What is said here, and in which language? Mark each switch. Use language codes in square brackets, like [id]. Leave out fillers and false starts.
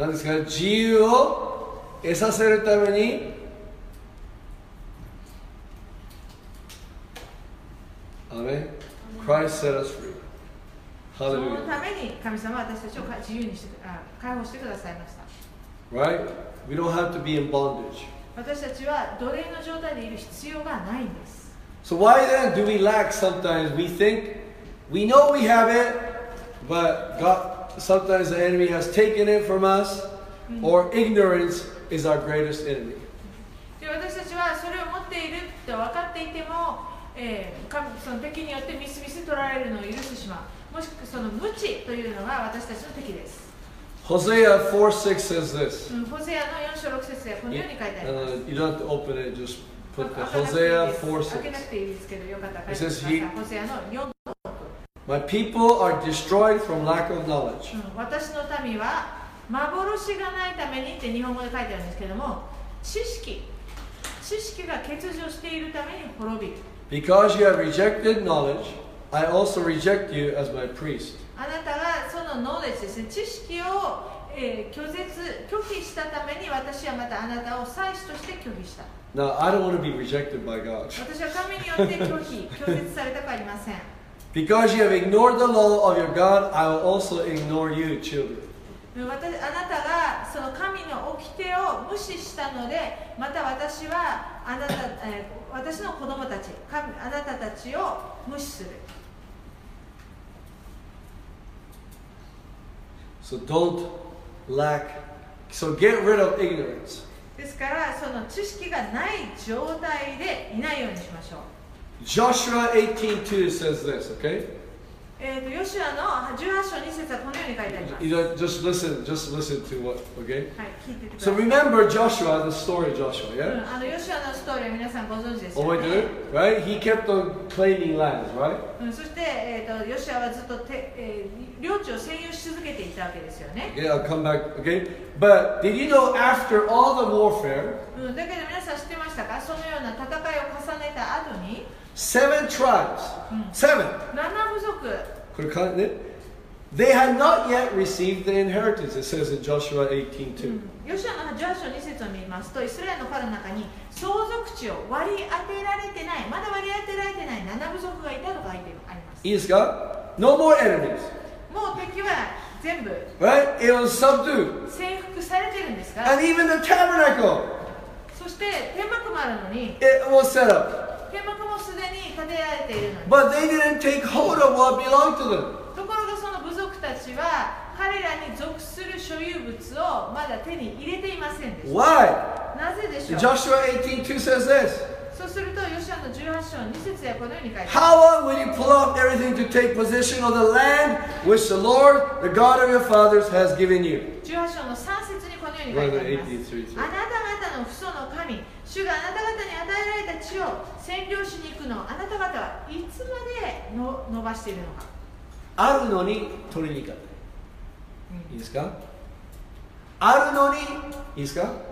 [ja] 何ですか、自由を得させるために、アメン、 [en] Christ set us free。 [ja] そのために神様は私たちを自由にして、あ、解放してくださいました。 [en] Right? We don't have to be in bondage。 [ja] 私たちは奴隷の状態でいる必要がないんです。 [en] So why then do we lack sometimes? We think we know we have it, but God, sometimes the enemy has taken it from us, or ignorance is our greatest enemy。 [ja] で、私たちはそれを持っていると分かっていても、その敵によってみすみす取られるのを許してしまう、もしくはその無知というのが私たちの敵です。 [en] Hosea 4:6 says this。 [ja] Hosea の4章6節でこのように書いてあります。 [en] You don't have to open it, just put the Hosea 4:6。 [ja] 開けなくていいですけど、よかったら書いてください。 Hosea の4:6。 [en] My people are destroyed from lack of knowledge。 [ja] 私の民は幻がないためにって日本語で書いてあるんですけども、知識が欠如しているために滅び。 [en] Because you have rejected knowledge, I also reject you as my priest. [ja] あなたがその knowledge ですね、知識を、拒否したために私はまたあなたを祭司として拒否した。 [en] Now, I don't want to be rejected by God. [ja] 私は神によって拒絶されたくありません。 [en] Because you have ignored the law of your God, I will also ignore you, children. [ja] あなたがその神の掟を無視したので、また私はあなた、私の子供たち、あなたたちを無視する。 [en] So don't lack. So get rid of ignorance. [ja] ですから、その知識がない状態でいないようにしましょう。 [en] Joshua 18:2 says this, okay? [ja] ヨシュアの18章2節はこのように書いてあります。 [en] Just listen to what, okay? [ja] はい、聞いててください。 [en] So remember Joshua, the story of Joshua, yeah? [ja] ヨシュアのストーリー、皆さんご存知ですよね。覚えてる？ [en] Right? He kept on claiming lands, right? [ja] そして、ヨシュアはずっと領地を占有し続けていたわけですよね。 [en] Yeah, I'll come back, okay? But did you know after all the warfare, [ja] だけど皆さん知ってましたか？そのような戦いを重ねた後に、 [en] Seven tribes. Seven. [ja] 7部族。 [en] They had not yet received the inheritance, it says in Joshua 18:2. [ja] ヨシュアの18章2節を見ますと、イスラエルの彼の中に相続地を割り当てられてない、まだ割り当てられてない7部族がいたとかあります。いいですか？ [en] No more enemies. [ja] もう敵は全部。 [en] Right? It was subdued. [ja] 征服されてるんですか？ [en] And even the tabernacle. [ja] そして天幕もあるのに。 [en] It was set up. [ja] 天幕もすでに建てられているのに。 [en] But they didn't take hold of what belonged to them. [ja] ところがその部族たちは彼らに属する所有物をまだ手に入れていませんでした。 [en] Why? [ja] なぜでしょう。 [en] Joshua 18:2 says this. [ja] そうするとヨシュアの18章2節ではこのように書いてあります。 [en] How long will you pull off everything to take possession of the land which the Lord, the God of your fathers, has given you? [ja] 18章の3節にこのように書いてあります。あなた方の父祖の神、主があなた方に与えられた地を占領しに行くのをあなた方はいつまでの伸ばしているのか。あるのに取りに行かない。いいですか？あるのに、いいですか？